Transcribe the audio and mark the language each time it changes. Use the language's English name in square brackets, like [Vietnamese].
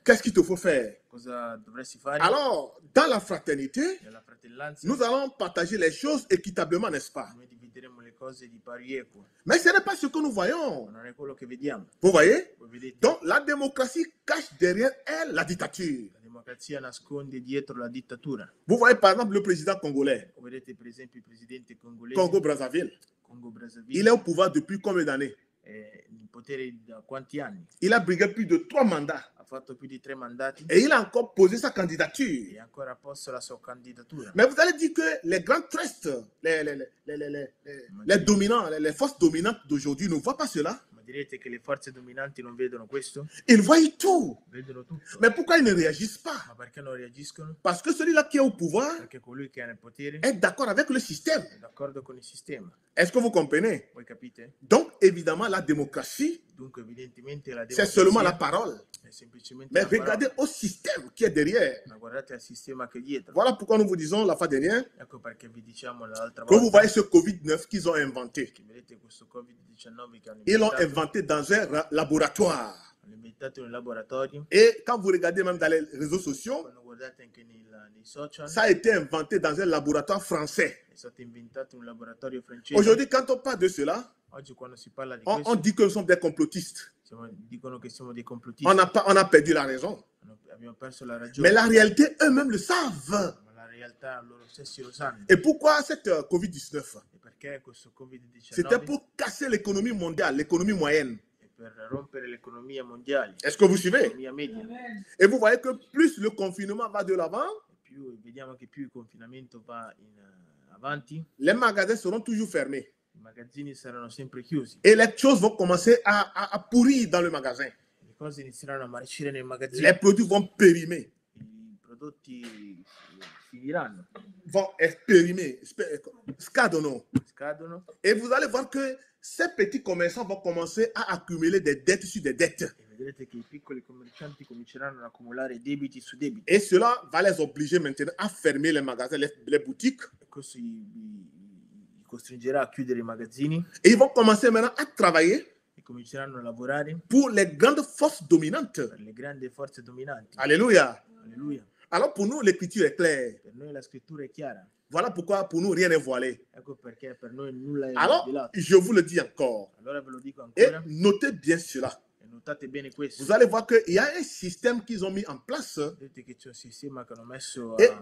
[French] qu'est-ce qu'il te faut faire? [Italian] Cosa dovresti fare? [French] Alors, dans la fraternité, [Italian] nella fratellanza, [French] nous allons partager les choses équitablement, n'est-ce pas? [Italian] Noi divideremo le cose di pari equo. [French] Mais ce n'est pas ce que nous voyons. [Italian] Non è quello che vediamo. [French] Vous voyez? [Italian] Vedete. [French] Donc la démocratie cache derrière elle la dittature. [Italian] La democrazia nasconde dietro la dittatura. [French] Vous voyez par exemple le président congolais. Vous voyez par exemple le président congolais. Congo Brazzaville. Il est au pouvoir depuis combien d'années? [Italian] Il potere da quanti anni? [French] Il a brigué plus de 3 mandats. [Italian] Ha fatto più di 3 mandati. [French] Et il a encore posé sa candidature. [Italian] E ancora posto la sua candidatura. [French] Mais vous allez dire que les grands trusts, les dominants, les forces dominantes d'aujourd'hui ne voient pas cela? [Italian] Direte che le forze dominanti non vedono questo? [French] Ils voient tout. [Italian] Vedono tutto. [French] Mais pourquoi ils ne réagissent pas? [Italian] Ma perché non reagiscono? [French] Parce que celui-là qui est au pouvoir, [Italian] perché colui che ha il potere, è d'accordo [French] avec le système. [Italian] È d'accordo con il sistema. [French] Est-ce que vous comprenez? [Italian] Voi capite? [French] Donc évidemment la démocratie, [Italian] dunque evidentemente la [French] démocratie, c'est seulement la parole. [Italian] È semplicemente [French] mais la regardez parole. Au système qui est derrière. [Italian] Ma guardate al sistema che è dietro. [French] Voilà pourquoi nous vous disons la fois dernière, [Italian] ecco perché vi diciamo l'altra volta, [French] vous voyez ce Covid-19 qu'ils ont inventé. [Italian] Che vedete questo Covid-19 che hanno inventato. [French] Ils l'ont inventé dans un laboratoire. [Italian] Inventato in un laboratorio. [French] Et quand vous regardez même dans les réseaux sociaux, [Italian] quando guardate anche nei social, [French] ça a été inventé dans un laboratoire français. [Italian] È stato inventato in un laboratorio francese. [French] Aujourd'hui, quand on parle de cela, [Italian] oggi quando si parla di questo, [French] on dit que nous sommes des complotistes. [Italian] Dicono che siamo dei complotisti. [French] On a perdu la raison. [Italian] Abbiamo perso la ragione. [French] Mais la réalité, eux-mêmes le savent. [Italian] Ma la realtà, loro stessi lo sanno. [French] Et pourquoi cette Covid-19? [Italian] E perché questo Covid-19? [French] C'était pour casser l'économie mondiale, l'économie moyenne. [Italian] E per rompere l'economia mondiale. [French] Est-ce que vous suivez? [Italian] L'economia media. [French] Et vous voyez que plus le confinement va de l'avant, [Italian] più vediamo che più il confinamento va in avanti, [French] les magasins seront toujours fermés. [Italian] I magazzini saranno sempre chiusi. [French] Et les choses vont commencer à pourrir dans le magasin. [Italian] Le cose inizieranno a marcire nel magazzino. [French] Les produits vont périmer. [Italian] I prodotti finiranno. [French] Vont périmer. [Italian] Scadono. [French] Et vous allez voir que ces petits commerçants vont commencer à accumuler des dettes sur des dettes. [Italian] E vedrete che i piccoli commercianti cominceranno ad accumulare debiti su debiti. [French] Et cela va les obliger maintenant à fermer les magasins, les boutiques. [Italian] Costringerà a chiudere i magazzini. [French] Et ils vont commencer maintenant à travailler. [Italian] E cominceranno a lavorare. [French] Pour les grandes forces dominantes. [Italian] Per le grandi forze dominanti. [French] Alléluia. Alléluia. Alors pour nous l'écriture est claire. [Italian] Per noi la scrittura è chiara. [French] Voilà pourquoi pour nous rien n'est voilé. [Italian] Ecco perché per noi nulla è rivelato. [French] Alors je vous le dis encore. [Italian] Allora ve lo dico ancora. [French] Et notez bien cela. [Italian] Notate bene questo. [French] Vous allez voir que il y a un système qu'ils ont mis en place. [Italian] Vedete che c'è un sistema che hanno messo